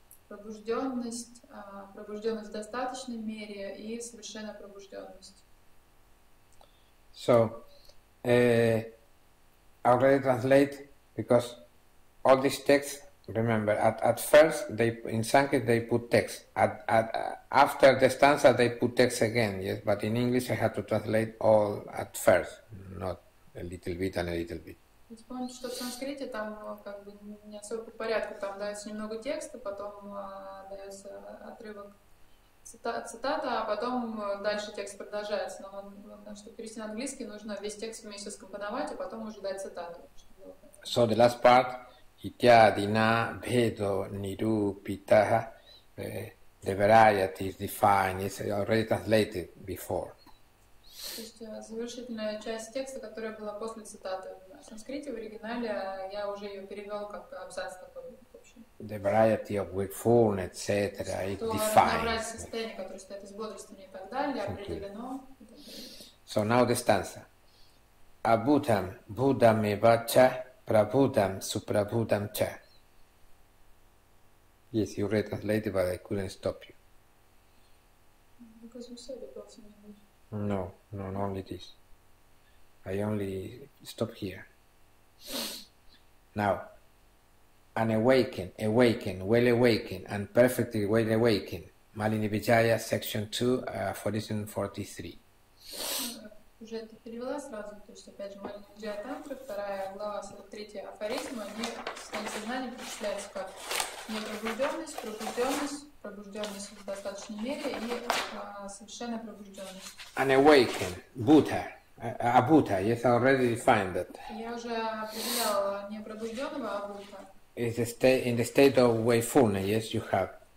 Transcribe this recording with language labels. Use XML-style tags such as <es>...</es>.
<ru>Непробужденность в достаточной мере и совершенная пробужденность.</ru> <en>So, already translate, because all these texts, remember, at first, they in Sanskrit, they put text. After the stanza, they put text again, yes? But in English, I have to translate all at first, not a little bit and a little bit.</en> <ru>Вспомните, что в санскрите там как бы не особо по порядку, там дается немного текста, потом дается отрывок цитата, а потом дальше текст продолжается. Но потому что перевести на английский, нужно весь текст вместе скомпоновать, а потом уже дать цитату.</ru> <en>So the last part.</en> <sa>Ityadina bhedo nirupitaha,</sa> <en>the variety is defined, it's already translated before.</en> <ru>То есть завершительная часть текста, которая была после цитаты в санскрите, в оригинале, я уже ее перевел как абзац такой, в общем.</ru> <en>The variety of wakefulness, etc., it defines.</en> <ru>То разнообразие состояния, которое состоит из бодрствования и так далее, определено.</ru> <en>So now the stanza.</en> <sa>Abhutam buddham eva cha. Prabhutam, suprabhutam cha.</sa> <en>Yes, you retranslated, but I couldn't stop you. Because you said it also in English. No, not only this. I only stop here. Now, an awaken, well awaken, and perfectly well awaken. Malini Vijaya, section 2, Aphorism 43.</en> <ru>Уже это перевела сразу, то есть опять же Малини Виджая Тантра, вторая глава, 43-я афоризм, они в состоянии сознания перечисляются как непробужденность, пробужденность в достаточной мере и совершенная пробужденность.</ru> <en>An awaken, Buddha, a Buddha, yes, I already defined that.</en> <ru>Я уже определяла непробужденного, а Buddha.</ru> <en>In the state of wakefulness, yes, you have.</en>